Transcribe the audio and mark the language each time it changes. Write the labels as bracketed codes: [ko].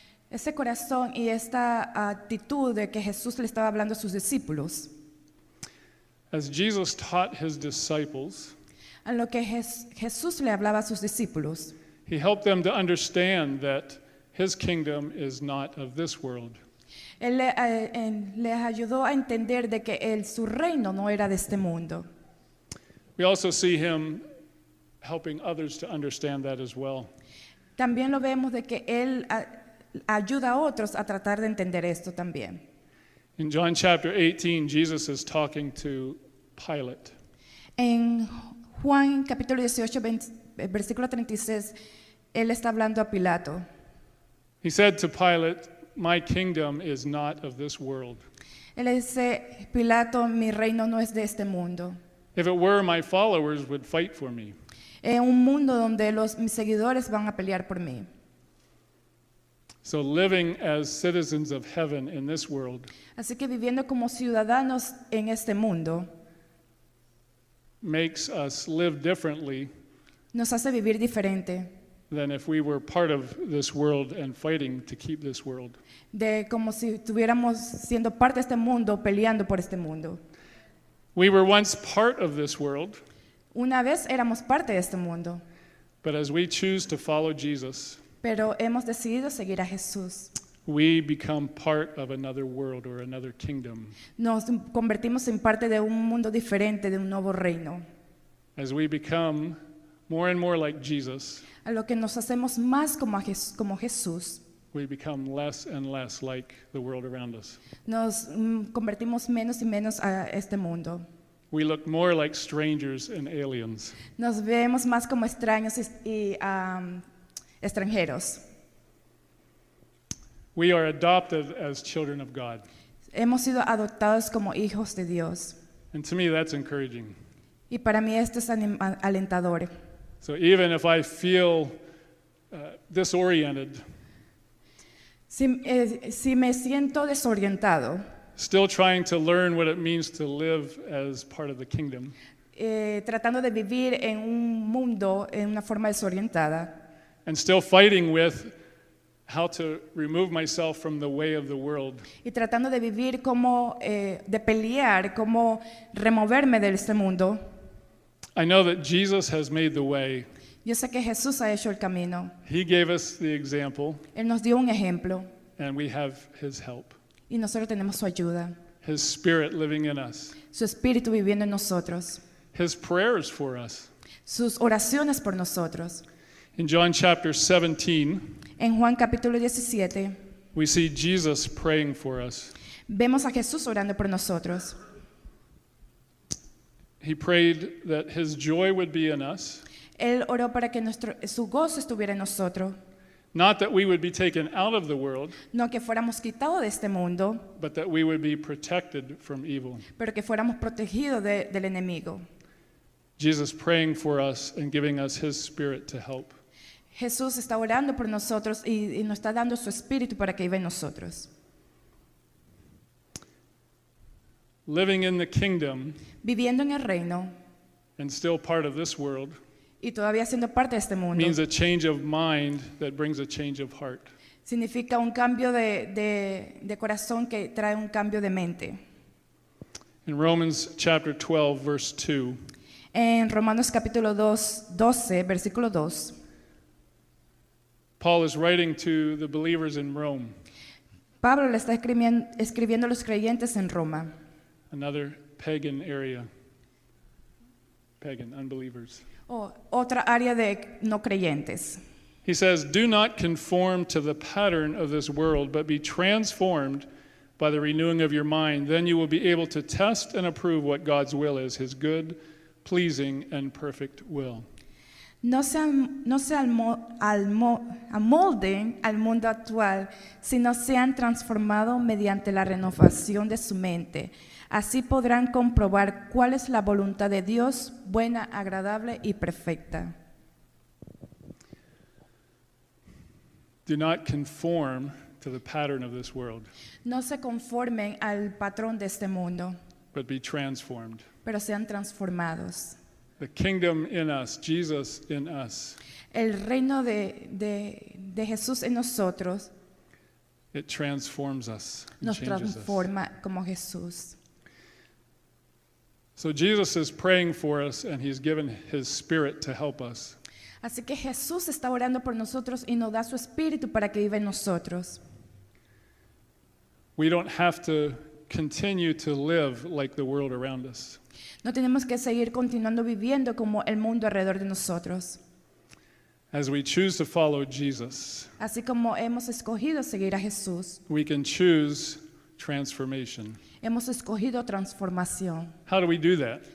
[es] Ese corazón y esta actitud de que Jesús le estaba hablando a sus discípulos. [en] As Jesus taught his disciples, [es] en lo que Jesús le hablaba a sus discípulos, [en] he helped them to understand that his kingdom is not of this world. [es] Él les ayudó a entender de que su reino no era de este mundo. [en] We also see him helping others to understand that as well. [es] También lo vemos de que él ayuda a otros a tratar de entender esto también. [en] In John chapter 18, Jesus is talking to Pilate. [es] En Juan capítulo 18, versículo 36, él está hablando a Pilato. [en] He said to Pilate, "My kingdom is not of this world." [es] Él dice, Pilato, mi reino no es de este mundo. [en] If it were, my followers would fight for me. [es] En un mundo donde mis seguidores van a pelear por mí. [en] So living as citizens of heaven in this world. [es] Así que viviendo como ciudadanos en este mundo. [en] Makes us live differently. [es] Nos hace vivir diferente. [en] Than if we were part of this world and fighting to keep this world. [es] De como si estuviéramos siendo parte de este mundo peleando por este mundo. [en] We were once part of this world. [es] Una vez éramos parte de este mundo. [en] But as we choose to follow Jesus. [es] Pero hemos decidido seguir a Jesús. [en] We become part of another world or another kingdom. [es] Nos convertimos en parte de un mundo diferente, de un nuevo reino. [en] As we become more and more like Jesus. [es] A lo que nos hacemos más como Jesús. [en] We become less and less like the world around us. [es] Nos convertimos menos y menos a este mundo. [en] We look more like strangers and aliens. [es] Nos vemos más como extraños y extranjeros. [en] We are adopted as children of God. [es] Hemos sido adoptados como hijos de Dios. [en] And to me that's encouraging. [es] Y para mí esto es alentador. [en] So even if I feel disoriented. [es] Si me siento desorientado. [en] Still trying to learn what it means to live as part of the kingdom. [es] Tratando de vivir en un mundo en una forma desorientada. [en] And still fighting with how to remove myself from the way of the world. [es] Y tratando de vivir como de pelear, como removerme de este mundo. [en] I know that Jesus has made the way. [es] Yo sé que Jesús ha hecho el camino. [en] He gave us the example. [es] Él nos dio un ejemplo. [en] And we have his help. [es] Y nosotros tenemos su ayuda. [en] His spirit living in us. [es] Su espíritu viviendo en nosotros. [en] His prayers for us. [es] Sus oraciones por nosotros. [en] In John chapter 17. [es] En Juan capítulo 17. [en] We see Jesus praying for us. [es] Vemos a Jesús orando por nosotros. [en] He prayed that his joy would be in us. [es] Él oró para que su gozo estuviera en nosotros. [en] Not that we would be taken out of the world. [es] No que fuéramos quitados de este mundo. [en] But that we would be protected from evil. [es] Pero que fuéramos protegidos del enemigo. [en] Jesus praying for us and giving us his spirit to help. [es] Jesús está orando por nosotros y nos está dando su espíritu para que viva en nosotros. [en] Living in the kingdom. [es] Viviendo en el reino. [en] And still part of this world. [es] Y todavía siendo parte de este mundo. [en] Means a change of mind that brings a change of heart. [es] Significa un cambio de corazón que trae un cambio de mente. [en] In Romans chapter 12 verse 2. [es] En Romanos capítulo 12 versículo 2. [en] Paul is writing to the believers in Rome. [es] Pablo le está escribiendo a los creyentes en Roma. [en] Another pagan area. Pagan unbelievers. [es] Otra área de no creyentes. [en] He says, "Do not conform to the pattern of this world, but be transformed by the renewing of your mind. Then you will be able to test and approve what God's will is, his good, pleasing, and perfect will." [es] No se amolden al mundo actual, sino sean transformados mediante la renovación de su mente. Así podrán comprobar cuál es la voluntad de Dios, buena, agradable y perfecta. [en] Do not conform to the pattern of this world. [es] No se conformen al patrón de este mundo. [en] But be transformed. [es] Pero sean transformados. [en] The kingdom in us, Jesus in us. [es] El reino de Jesús en nosotros. [en] It transforms us. [es] Nos transforma como Jesús. [en] So Jesus is praying for us and he's given his spirit to help us. [es] Así que Jesús está orando por nosotros y nos da su espíritu para que viva en nosotros. [en] We don't have to continue to live like the world around us. [es] No tenemos que seguir continuando viviendo como el mundo alrededor de nosotros. [en] As we choose to follow Jesus. [es] Así como hemos escogido seguir a Jesús. [en] We can choose transformation. [es] Hemos escogido transformación. [en] How do we do that?